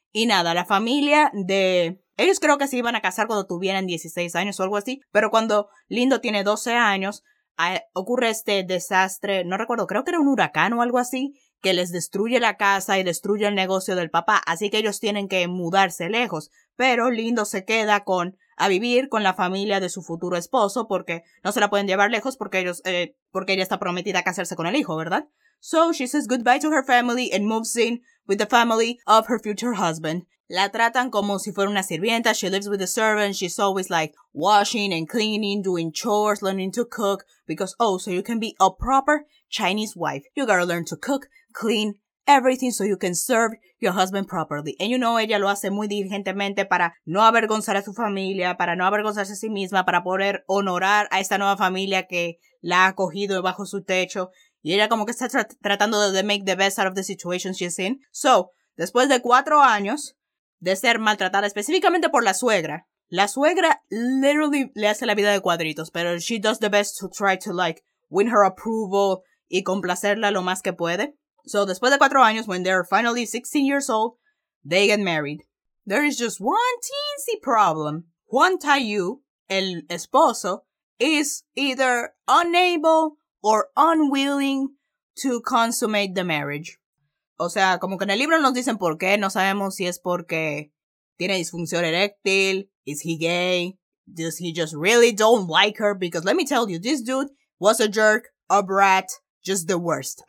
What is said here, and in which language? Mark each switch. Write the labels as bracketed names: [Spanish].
[Spanish] Y nada, la familia de ellos creo que se iban a casar cuando tuvieran 16 años o algo así, pero cuando Lindo tiene 12 años, ocurre este desastre, no recuerdo, creo que era un huracán o algo así, que les destruye la casa y destruye el negocio del papá, así que ellos tienen que mudarse lejos. Pero Lindo se queda a vivir con la familia de su futuro esposo, porque no se la pueden llevar lejos porque porque ella está prometida a casarse con el hijo, ¿verdad? [English] So she says goodbye to her family and moves in with the family of her future husband. [Spanish] La tratan como si fuera una sirvienta. [English] She lives with the servant. She's always like washing and cleaning, doing chores, learning to cook. Because, oh, so you can be a proper Chinese wife. You gotta learn to cook, clean everything so you can serve your husband properly. And you know, [Spanish] ella lo hace muy diligentemente para no avergonzar a su familia, para no avergonzarse a sí misma, para poder honorar a esta nueva familia que la ha acogido bajo su techo. Y ella como que está tratando de [English] make the best out of the situation she's in. [Spanish] So, después de 4 años de ser maltratada específicamente por la suegra [English] literally [Spanish] le hace la vida de cuadritos, pero [English] she does the best to try to like win her approval [Spanish] y complacerla lo más que puede. [English] So, [Spanish] después de 4 años, [English] when they're finally 16 years old, they get married. There is just one teensy problem. Juan Tayu, [Spanish] el esposo, [English] is either unable or unwilling to consummate the marriage. [Spanish] O sea, como que en el libro nos dicen por qué, no sabemos si es porque tiene disfunción eréctil, [English] is he gay, does he just really don't like her, because let me tell you, this dude was a jerk, a brat, just the worst.